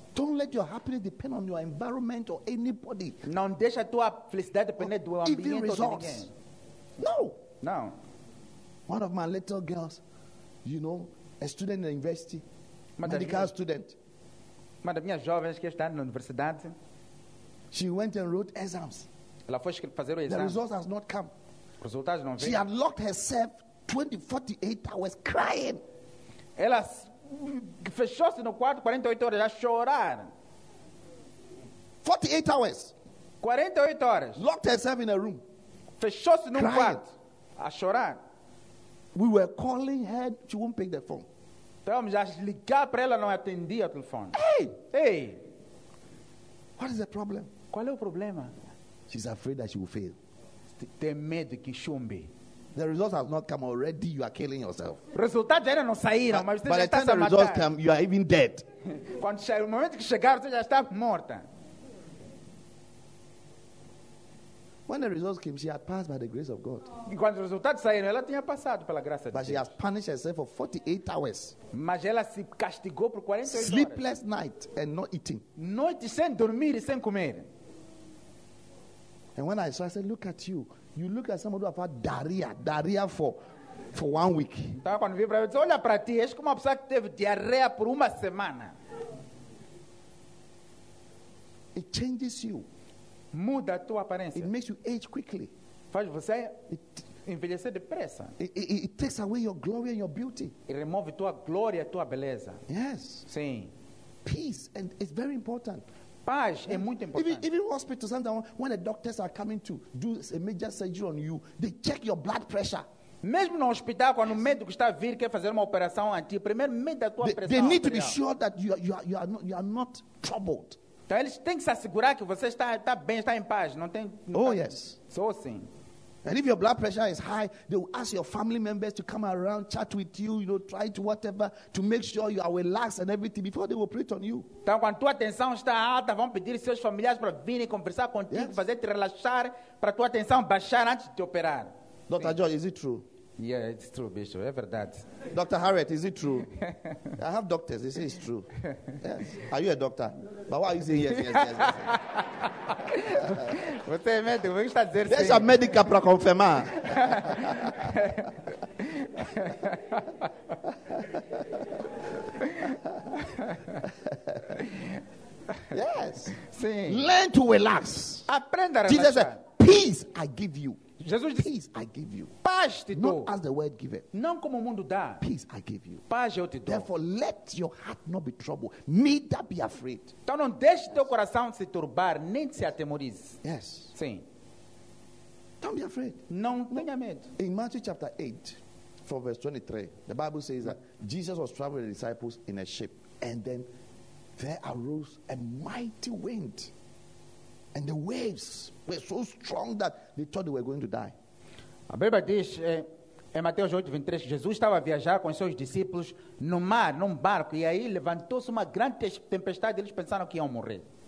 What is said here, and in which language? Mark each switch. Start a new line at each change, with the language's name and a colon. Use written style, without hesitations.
English: Don't let your happiness depend on your environment or anybody.
Portuguese: Não deixa tua felicidade depender do ambiente ou de ninguém.
English: No. No. One of my little girls, you know, a student in the university, medical student.
Portuguese: Uma das minhas jovens que está na universidade.
English: She went and wrote exams.
Portuguese: Ela foi fazer o exame.
English: The results has not come.
Portuguese: Os resultados não vêm.
English: She had locked herself 48 hours crying.
Portuguese: Ela fechou-se no quarto 48 horas a chorar.
English: 48 hours.
Portuguese: 48 horas.
English: Locked herself in a room.
Portuguese: Fechou-se no quarto a chorar.
English: We were calling her, she won't pick the phone.
Portuguese: Então, já ligar para ela, não atendia o telefone. Hey! Hey!
English: What is the problem?
Portuguese: Qual é o problema?
English: She's afraid that she will fail.
Portuguese: Tem medo que chumbe.
English: The results have not come already, you are killing yourself.
Portuguese: Resultados ainda não saíram, mas você já está a matar.
English: By the time the results come, you are even dead.
Portuguese: Quando chegar o momento que chegar, você já está morta.
English: When the results came, she had passed by the grace of God.
Portuguese: Quando os resultados saíram, ela tinha passado pela graça de Deus.
English: But she has punished herself for 48 hours.
Portuguese: Mas ela se castigou por 48 horas.
English: Sleepless night and not eating.
Portuguese: Noite sem dormir e sem comer.
English: And when I saw, I said, look at you. You look at someone who have had diarrhea for 1 week.
Portuguese: Então quando vi para ela, olha para ti, és como uma pessoa que teve diarreia por uma semana.
English: It changes you.
Portuguese: Muda a tua aparência.
English: It makes you age quickly.
Portuguese: Faz você envelhecer depressa.
English: It takes away your glory and your beauty.
Portuguese: E remove tua glória e tua beleza.
English: Yes.
Portuguese: Sim.
English: Peace, and it's very important.
Portuguese: Paz é muito importante.
English: Even hospitals, when the doctors are coming to do a major surgery on you, they check your blood pressure.
Portuguese: Mesmo no hospital, quando o médico está a vir quer fazer uma operação a ti, primeiro mede a tua pressão.
English: They need to be sure that you are not troubled.
Portuguese: Então eles têm que se assegurar que você está bem, está em paz, não tem. Não, oh tá,
English: yes.
Portuguese: Sou sim.
English: And if your blood pressure is high, they will ask your family members to come around, chat with you, you know, try to whatever to make sure you are relaxed and everything before they will put it on you.
Portuguese: Então quando tua tensão está alta, vão pedir seus familiares para vir e conversar contigo, yes, fazer te relaxar para tua tensão baixar antes de te operar.
English: Dr. George, is it true? Yeah, it's true, Bishop.
Portuguese: É verdade.
English: Dr. Harriet, is it true? I have doctors. They say it's true. Yes. Are you a doctor? But why are you saying yes, yes, yes, yes?
Portuguese: Você é médico. Por que está a dizer sim? Deixa a médica para confirmar.
English: Yes.
Portuguese: Sim.
English: Learn to relax.
Portuguese: Aprenda a Jesus
English: Said, peace I give you.
Portuguese: Jesus disse,
English: peace I give you.
Portuguese: Paz te dou.
English: Not as the world give it.
Portuguese: Não como o mundo dá.
English: Peace I give you.
Portuguese: Paz eu te dou.
English: Therefore let your heart not be troubled, neither be afraid.
Portuguese: Então não deixe, yes, teu coração se turbar, nem se atemorize.
English: Yes.
Portuguese: Sim.
English: Don't be afraid.
Portuguese: Não tenha medo.
English: In Matthew chapter 8, from verse 23, the Bible says that Jesus was traveling with the disciples in a ship, and then there arose a mighty wind. And the waves were so strong that they thought they were going to die.
Portuguese: A Bíblia diz em Mateus 8:23, Jesus estava a viajar com seus discípulos no mar, num barco, e aí levantou-se uma grande tempestade e eles pensaram que iam morrer.